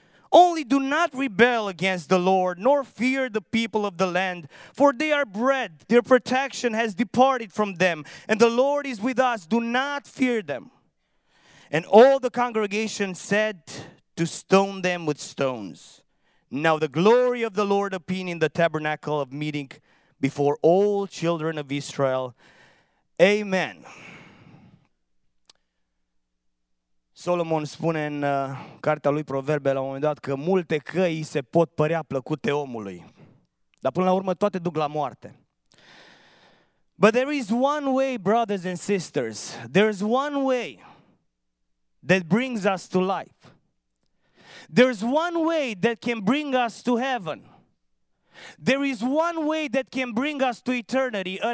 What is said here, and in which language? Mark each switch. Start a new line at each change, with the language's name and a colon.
English: Only do not rebel against the Lord, nor fear the people of the land, for they are bread, their protection has departed from them, and the Lord is with us, do not fear them." And all the congregation said to stone them with stones. Now the glory of the Lord appeared in the tabernacle of meeting before all children of Israel. Amen.
Romanian: Solomon spune în cartea lui Proverbe la un moment dat că multe căi se pot părea plăcute omului, dar până la urmă toate duc la moarte.
English: But there is one way, brothers and sisters, there is one way that brings us to life. There is one way that can bring us to heaven. There is one way that can bring us to eternity.